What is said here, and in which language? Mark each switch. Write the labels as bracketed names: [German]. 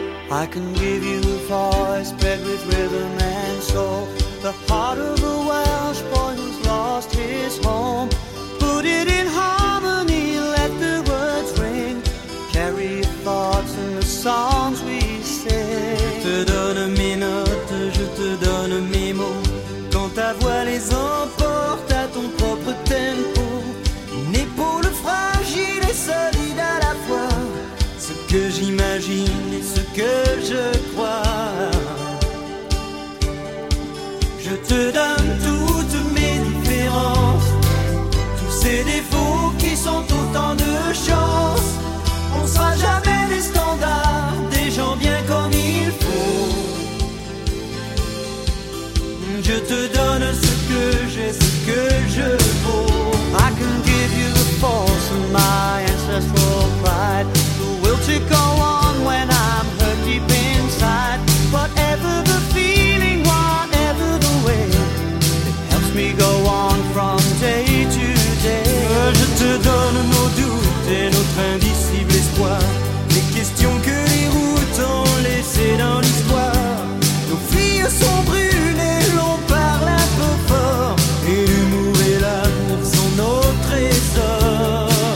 [English] I can give you a voice bred with rhythm and soul. The heart of a Welsh boy who's lost his home. Put it in harmony, let the words ring. Carry your thoughts in the songs we sing. [French] Je te donne mes notes, je te donne mes mots. Quand ta voix les emporte à ton propre tempo. Une épaule fragile et solide à la fois. Ce que j'imagine et ce que je crois. Je te donne toutes mes différences. Des défauts qui sont autant de chance. On sera jamais des standards, des gens bien comme il faut. Je te donne ce que j'ai, ce que je vaux. [English] I can give you the force of my ancestral pride. The will to go on when I'm hurt deep inside. Whatever the feeling, whatever the way, it helps me go on from day. [French] Je te donne nos doutes et notre indicible espoir. Les questions que les routes ont laissées dans l'histoire. Nos filles sont brunes et l'on parle un peu fort. Et l'humour et l'amour sont nos trésors.